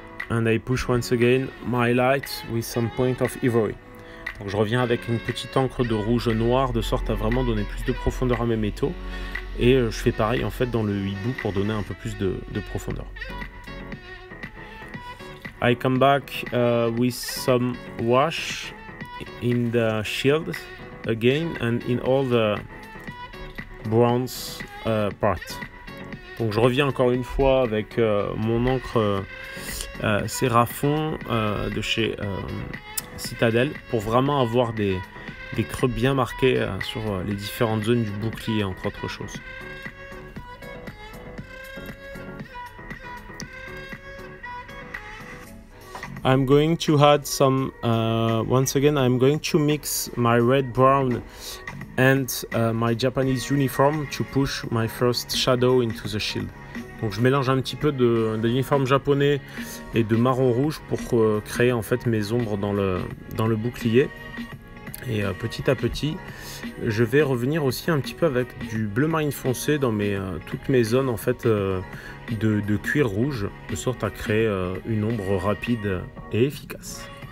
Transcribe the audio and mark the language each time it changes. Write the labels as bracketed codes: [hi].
[en] And I push once again my light with some point of ivory. [fr] Donc je reviens avec une petite encre de rouge noir de sorte à vraiment donner plus de profondeur à mes métaux. Et je fais pareil en fait dans le hibou pour donner un peu plus de profondeur. [en] I come back with some wash in the shield again and in all the bronze part. [fr] Donc je reviens encore une fois avec mon encre Seraphon de chez Citadel pour vraiment avoir des, des creux bien marqués sur les différentes zones du bouclier, entre autres choses. [en] I'm going to add some, once again, I'm going to mix my red, brown and my Japanese uniform to push my first shadow into the shield. [fr] Donc je mélange un petit peu de l'uniforme japonais et de marron rouge pour créer en fait mes ombres dans le bouclier. Et petit à petit, je vais revenir aussi un petit peu avec du bleu marine foncé dans toutes mes zones en fait de cuir rouge, de sorte à créer une ombre rapide et efficace.